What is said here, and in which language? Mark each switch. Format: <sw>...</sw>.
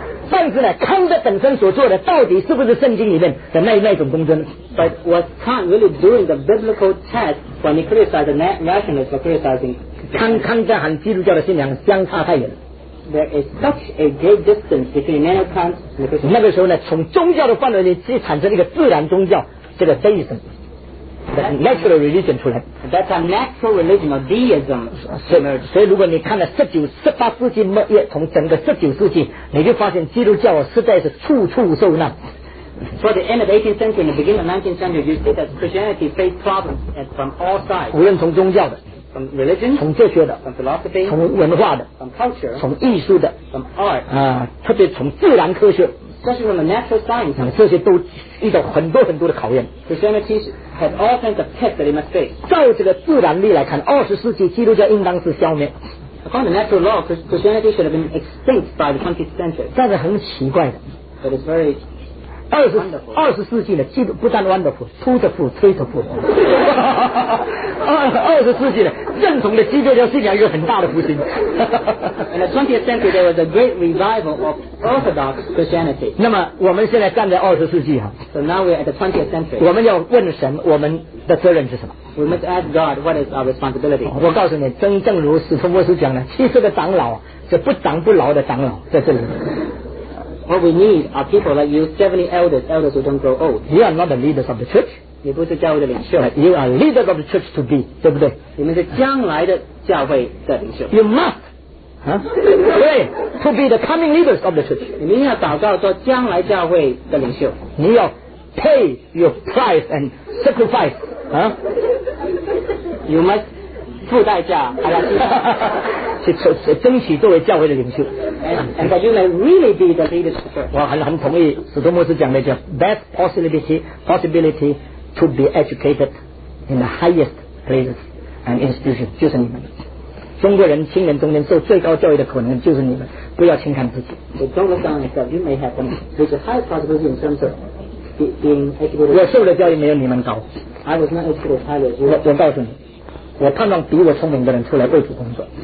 <zh>但是呢，康德本身所做的到底是不是圣经里面的那种工作呢</zh> <en>？But was Kant really doing the biblical test when he criticized the rationalists for criticizing?</en> <zh>康德和基督教的信仰相差太远了。</zh> <en>There is such a great distance between Immanuel Kant and the Christian.</en> <zh>那个时候呢，从宗教的范围里去产生一个自然宗教，这个 deism。</zh> <en>Natural religion</en> <zh>出来</zh> <en>That's a natural religion of deism.</en> <zh>所以如果你看了十八世纪末叶，从整个十九世纪，你就发现基督教实在是处处受难。</zh> <en>For the end of the 18th century and the beginning of the 19th century, you see that Christianity faced problems from all sides.</en> <zh>无论从宗教的</zh> <en>，from religion，</en> <zh>从哲学的</zh> <en>，from philosophy，</en> <zh>从文化的</zh> <en>，from culture，</en> <zh>从艺术的</zh> <en>，from art，</en> <zh>特别从自然科学</zh> <en>especially from a natural science.</en> <zh>这些都遇到很多很多的考验。</zh> <en>Christianity had all kinds of tests that it must face.</en> <zh>照这个自然力来看，二十世纪基督教应当是消灭。</zh> <en>According to natural law, Christianity should have been extinct by the 20th century.</en> <zh>但是很奇怪的。</zh> <en>But it's very</en> <zh>二十世纪的基督不但 wonderful, 粗的富，吹的富。二十世纪的正统的基督教信仰有很大的复兴。</zh> <en>In the 20th century, there was a great revival of Orthodox Christianity.</en> <zh>那么我们现在站在二十世纪哈。</zh> <en>So now we're at the 20th century.</en> <zh>我们要问神，我们的责任是什么？</zh> <en>We must ask God what is our responsibility.</en> <zh>我告诉你，真正如使徒牧师讲的，其实的长老是不长不老的长老在这里。</zh> <en>What we need are people like you, 70 elders, elders who don't grow old. You are not the leaders of the church.</en> <zh>你不是教会的领袖。</zh> <en>You are leaders of the church to be,</en> <zh>对不对？你们是将来的教会的领袖。</zh> <en>You must, to be the coming leaders of the church.</en> <zh>你们要祷告做将来教会的领袖。你要</zh> <en>pay your price and sacrifice, You must</en> <zh>付代价，好吧？去争取作为教会的领袖</zh> <en>and that you may really be the leader.</en> <zh>我很同意使徒牧师讲的叫</zh> <en>best possibility to be educated in the highest places and institutions</en> <zh>就是你们中国人青年中间受最高教育的可能就是你们不要轻看自己</zh> <en>so don't look down yourself you may have the highest possibility in terms of being educated</en> <zh>我受的教育没有你们高</zh> <en>I was not educated highly as you</en> <zh>我告诉你我盼望比我聪明的人出来为主工作。</zh>